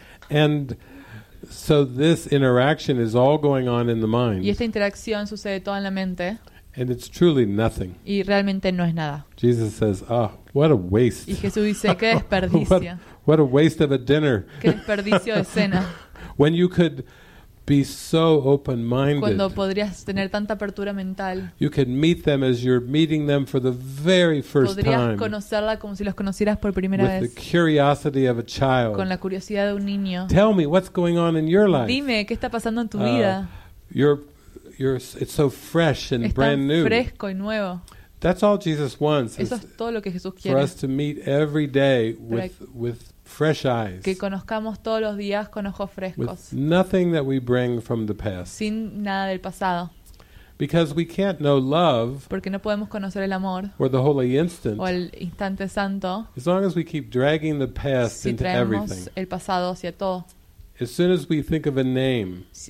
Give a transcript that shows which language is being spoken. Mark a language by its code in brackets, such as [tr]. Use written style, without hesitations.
[en] And so this interaction is all going on in the mind. [es] Y esta interacción sucede toda en la mente. [en] And it's truly nothing. [es] Y realmente no es nada. [en] Jesus says, "Ah, oh, what a waste." [es] Y Jesús dice, "Qué desperdicio." [en] what a waste of a dinner. [es] Qué desperdicio de cena. [en] When you could be so open-minded. [es] Cuando podrías tener tanta apertura mental. [en] You could meet them as you're meeting them for the very first [es] podrías [en] time. [es] Podrías conocerla como si los conocieras por primera [en] with [es] vez. [en] With the curiosity of a child. [es] Con la curiosidad de un niño. [en] Tell me what's going on in your life. [es] Dime qué está pasando en tu vida. [en] It's so fresh and brand new. [es] Está fresco y nuevo. [en] That's all Jesus wants. [es] Eso es todo lo que Jesús quiere. [en] For us to meet every day with fresh eyes. [es] Que conozcamos todos los días con ojos frescos. [en] With nothing that we bring from the past. [es] Sin nada del pasado. [en] Because we can't know love. [es] Porque no podemos conocer el amor. [en] Or the holy instant. [es] O el instante santo. [en] As long as we keep dragging the past into everything. [es] Si traemos el pasado hacia todo. [en] As soon as we think of a name,